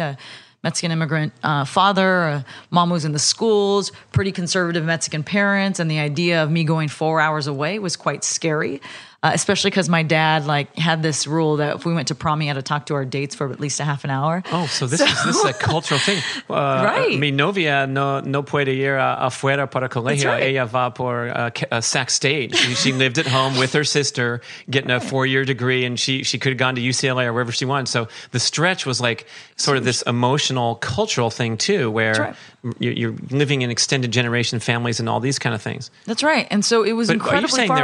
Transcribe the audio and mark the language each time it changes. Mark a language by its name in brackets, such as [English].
[English] A Mexican immigrant father, a mom who's in the schools, pretty conservative Mexican parents, and the idea of me going 4 hours away was quite scary, especially because my dad had this rule that if we went to prom, he had to talk to our dates for at least a half an hour. Oh, so this is a cultural thing. Right. [Spanish] Mi novia no puede ir afuera para colegio. [English] Right. [Spanish] Ella va por Sac State. [English] She lived at home with her sister getting a four-year degree, and she could have gone to UCLA or wherever she wanted. So the stretch was like sort of this emotional cultural thing too, where you're living in extended generation families and all these kind of things. That's right. And so it was incredibly far away.